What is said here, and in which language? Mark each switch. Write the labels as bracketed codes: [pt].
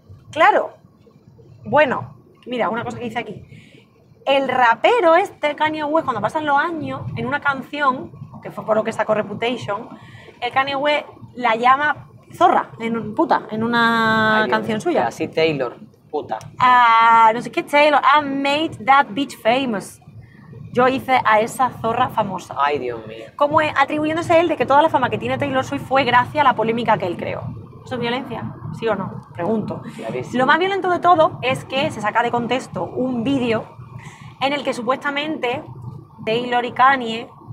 [es] claro, bueno, mira, una cosa que dice aquí. El rapero este, Kanye West, cuando pasan los años, en una canción... que fue por lo que sacó Reputation, el Kanye West la llama zorra, puta, en una canción suya. Así Taylor, puta. Ah, no sé qué [en] Taylor, I made that bitch famous. [es] Yo hice a esa zorra famosa. Ay, Dios mío. Como atribuyéndose a él de que toda la fama que tiene Taylor Swift fue gracias a la polémica que él creó. ¿Eso es violencia? ¿Sí o no? Pregunto. Clarísimo. Lo más violento de todo es que se saca de contexto un vídeo en el que supuestamente Taylor y Kanye...